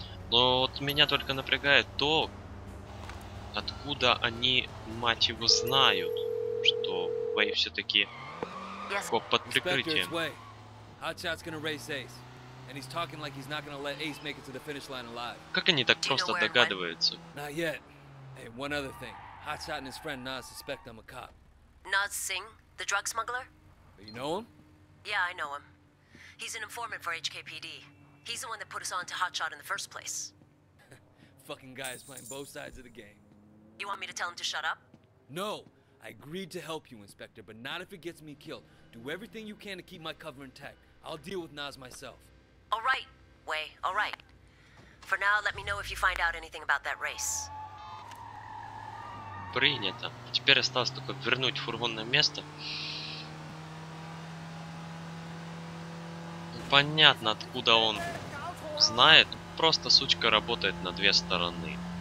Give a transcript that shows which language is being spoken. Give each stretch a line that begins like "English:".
Russian: Но вот меня только напрягает то, откуда они, мать его, знают, что Вэй все-таки коп под прикрытием. Как они так просто догадываются?
English: Not yet. Hey, one other thing. Hotshot and his friend Naz suspect I'm a cop. Naz Singh, the drug smuggler? You know him? Yeah, I know him. He's an informant for HKPD. He's the one that put us on to Hotshot in the first place. Fucking guy is playing both sides of the game. You want me to tell him to shut up? No. I agreed to help you, Inspector, but not if it gets me killed. Do everything you can to keep my cover intact. I'll deal with Naz myself. All right, Wei. All right. For now, let me know if you find out anything about that race.
Russian: Принято. Теперь осталось только вернуть фургон на место. Понятно, откуда он знает. Просто сучка работает на две стороны.